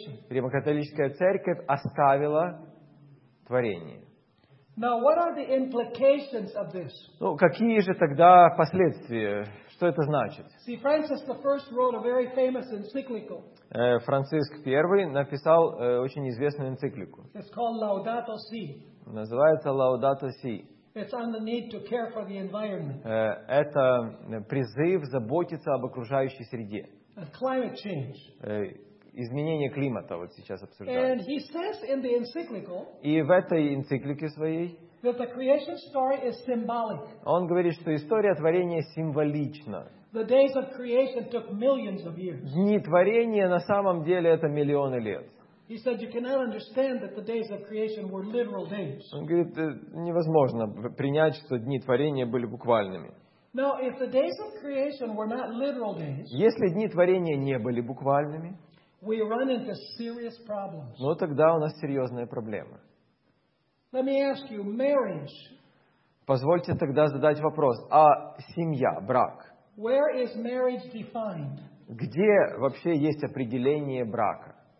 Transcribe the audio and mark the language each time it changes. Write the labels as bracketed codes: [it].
[ru] Римо-католическая церковь оставила творение. [en] Now, what are the implications of this? [ru] Ну, какие же тогда последствия? Что это значит? [en] See, Francis the First wrote a very famous encyclical. [ru] Франциск I написал очень известную энциклику. [en] It's called Laudato Si. [ru] Называется Laudato Si. [en] It's on the need to care for the environment. [ru] Это призыв заботиться об окружающей среде. [en] Climate change. [ru] Изменение климата вот сейчас обсуждается. [en] And he says in the encyclical. [ru] И в этой энциклике своей. [en] That the creation story is symbolic. [ru] Он говорит, что история творения символична. [en] The days of creation took millions of years. [ru] Дни творения на самом деле это миллионы лет. [en] He said you cannot understand that the days of creation were literal days. [ru] Он говорит, невозможно принять, что дни творения были буквальными. [en] Now, if the days of creation were not literal days, [ru] если дни творения не были буквальными, [en] we run into serious problems. [ru] Ну тогда у нас серьезная проблема. [en] Let me ask you, marriage. [ru] Позвольте тогда задать вопрос, а семья, брак? [en] Where is marriage defined? [ru] Где вообще есть определение брака?